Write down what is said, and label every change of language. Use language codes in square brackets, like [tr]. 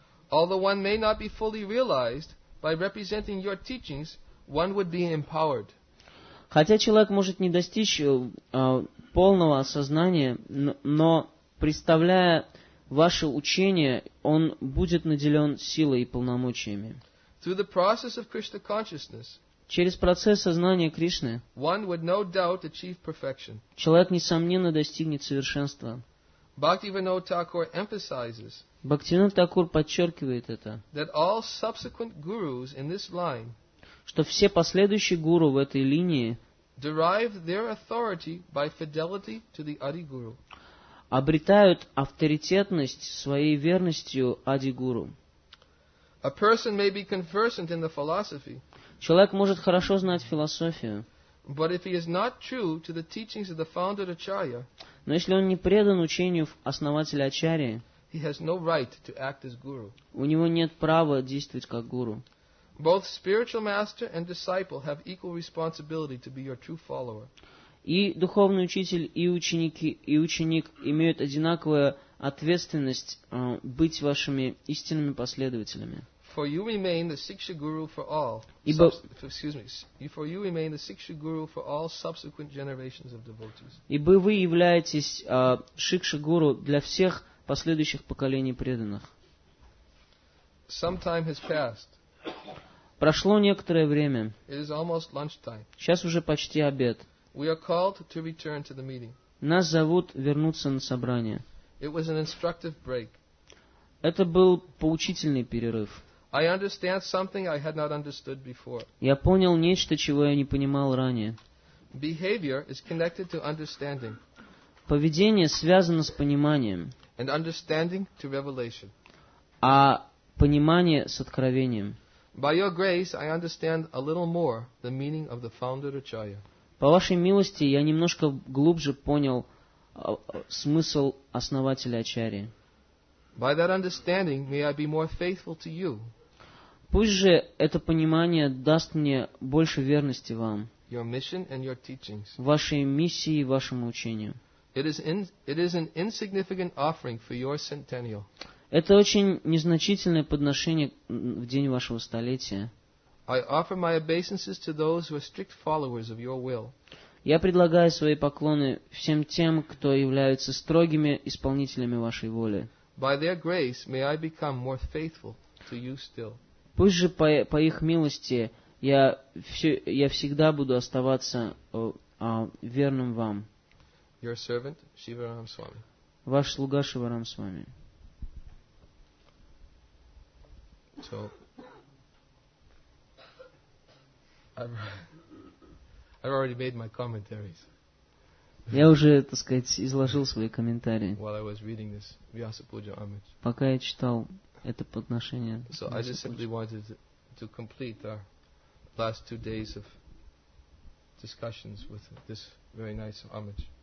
[en] Although one may not be fully realized by representing your teachings, one would be empowered. [ru] Хотя человек может не достичь полного осознания, но представляя ваше учение, он будет наделен силой и полномочиями. [en] Through the process of Krishna consciousness, [ru] через процесс сознания Кришны, [en] one would no doubt achieve perfection. [ru] Человек, несомненно, достигнет совершенства. [en] Bhaktivinoda Thakur emphasizes, [ru] Бхактивинода Такур подчеркивает это, [en] that all subsequent gurus in this line, [ru] что все последующие гуру в этой линии [en] derive their authority by fidelity to the Adi Guru. [ru] Обретают авторитетность своей верностью Адигуру. [en] A person may be conversant in the philosophy, [ru] человек может хорошо знать философию, [en] but if he is not true to the teachings of the founder Acharya, [ru] но если он не предан учению основателя Ачарьи, [en] he has no right to act as guru. [ru] У него нет права действовать как гуру. [en] Both spiritual master and disciple have equal responsibility to be your true follower. [ru] И духовный учитель, и ученики, и ученик имеют одинаковую ответственность быть вашими истинными последователями. [en] For you remain the Siksha Guru for all. For you remain the Siksha Guru for all subsequent generations of devotees. [ru] Ибо вы являетесь Шикша Гуру для всех последующих поколений преданных. [en] Some time has passed. [ru] Прошло некоторое время. [en] It is almost lunchtime. [ru] Сейчас уже почти обед. [en] We are called to return to the meeting. [ru] Нас зовут вернуться на собрание. [en] It was an instructive break. [ru] Это был поучительный перерыв. [en] I understand something I had not understood before. [ru] Я понял нечто, чего я не понимал ранее. [en] Behavior is connected to understanding. [ru] Поведение связано с пониманием. [en] And understanding to revelation. [ru] А понимание с откровением. [en] By your grace, I understand a little more the meaning of the founder Acharya. [ru] По вашей милости, я немножко глубже понял смысл основателя Ачарьи. [en] By that understanding, may I be more faithful to you. [ru] Пусть же это понимание даст мне больше верности вам. [en] Your mission and your teachings. [ru] Вашей миссии и вашему учению. [en] It is an insignificant offering for your centennial. [ru] Это очень незначительное подношение в день вашего столетия. [en] I offer my obeisances to those who are strict followers of your will. [ru] Я предлагаю свои поклоны всем тем, кто являются строгими исполнителями вашей воли. [en] By their grace, may I become more faithful to you still. [ru] Пусть же по их милости я всегда буду оставаться верным вам. [en] Your servant, Shivaram Swami. [ru] Ваш слуга Шиварам Свами. [en] So, I've already made my commentaries. [ru] Я уже, так сказать, изложил свои комментарии. [en] While I was reading this Vyasa Puja homage. [ru] Пока я читал это подношение. [en] So I just simply wanted to complete our last two days of discussions with this very nice homage.